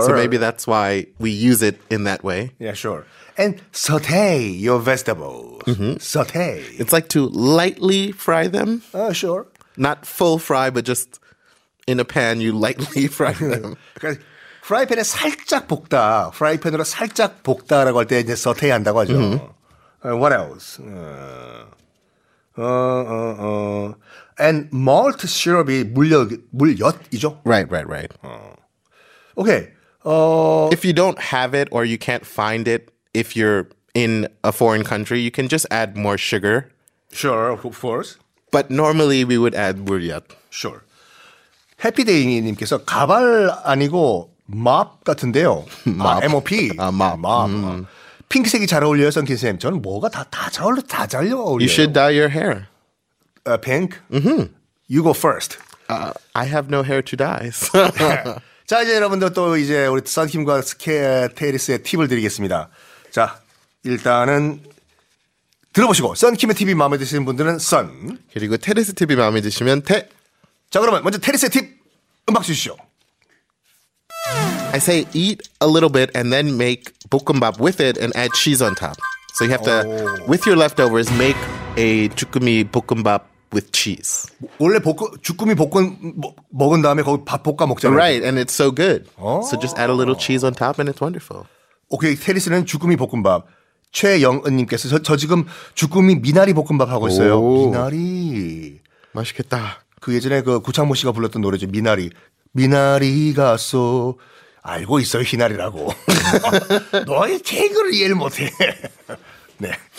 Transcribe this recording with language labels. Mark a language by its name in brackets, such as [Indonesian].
[English] So maybe that's why we use it in that way. Yeah, sure. And saute your vegetables. Mm-hmm. Saute. It's like to lightly fry them. Sure. Not full fry, but just in a pan, you lightly fry them. [Korean] 프라이팬에 살짝 볶다. 프라이팬으로 살짝 볶다라고 할 때 이제 saute 한다고 하죠. Mm-hmm. [English] What else? And malt syrup [Korean] 이 물엿이죠? [English] Right. Okay. If you don't have it or you can't find it, if you're in a foreign country, you can just add more sugar. Sure, of course. But normally we would add 물엿. Sure. [Korean] Happy Day님께서 가발 아니고 mop 같은데요. [English] Mop. M-O-P. Mop. Mop. Mm. [Korean] 핑크색이 잘 어울려요, 선킨 쌤. 저는 뭐가 다 잘 어울려요. [English] You should dye your hair. Pink? Mm-hmm. You go first. I have no hair to dye. So. [Korean] 자, 이제 여러분들 또 이제 우리 선킨과 테리스의 팁을 드리겠습니다. 자, 일단은 들어보시고 선킨의 팁이 마음에 드시는 분들은 선. 그리고 테리스 팁이 마음에 드시면 테. 자, 그러면 먼저 테리스의 팁 음악 주시죠. [English] I say eat a little bit and then make bokkeumbap with it and add cheese on top. So you have to, with your leftovers, make a 주꾸미 볶음밥 with cheese. [Korean] 원래 주꾸미 볶은 먹은 다음에 거기 밥 볶아 먹잖아요. [English] Right, and it's so good. So just add a little cheese on top and it's wonderful. Okay, [Korean] 테리스는 주꾸미 볶음밥. 최영은님께서 저 지금 주꾸미 미나리 볶음밥 하고 있어요. 미나리. 맛있겠다. 그 예전에 그 구창모 씨가 불렀던 노래죠. 미나리. 미나리 가소. 알고 있어요, 희나리라고. 너의 개그를 이해를 못해. 네.